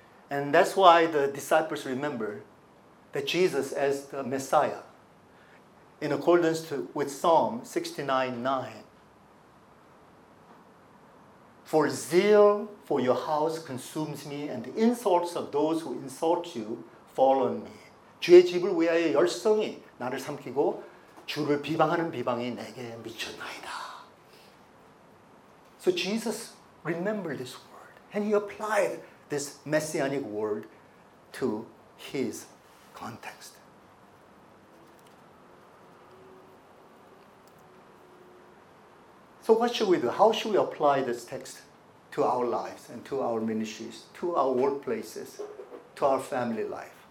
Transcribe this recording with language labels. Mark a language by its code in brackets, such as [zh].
[en] And that's why the disciples remember that Jesus as the Messiah, in accordance with Psalm 69:9, "For zeal for your house consumes me, and the insults of those who insult you fall on me. [ko] 주의 집을 위하여 열성이 나를 삼키고 주를 비방하는 비방이 내게 미쳤나이다." [en] So Jesus remembered this word, and he applied this messianic word to his context. So what should we do? How should we apply this text to our lives and to our ministries, to our workplaces, to our family life?